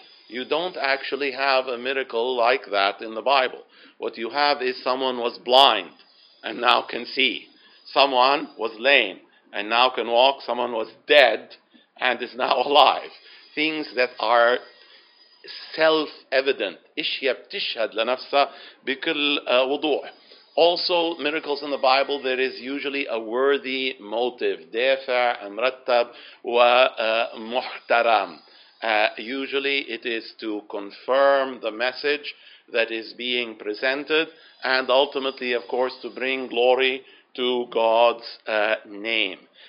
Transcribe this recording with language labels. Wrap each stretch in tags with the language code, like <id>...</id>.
<en>You don't actually have a miracle like that in the Bible. What you have is someone was blind and now can see. Someone was lame and now can walk. Someone was dead and is now alive. Things that are self-evident.</en> <ar>إشياء بتشهد لنفسها بكل وضوح.</ar> <en>Also, miracles in the Bible, there is usually a worthy motive.</en> <ar>دافع مرتب ومحترم.</ar> <en>Usually, it is to confirm the message that is being presented and ultimately, of course, to bring glory to God's name.</en>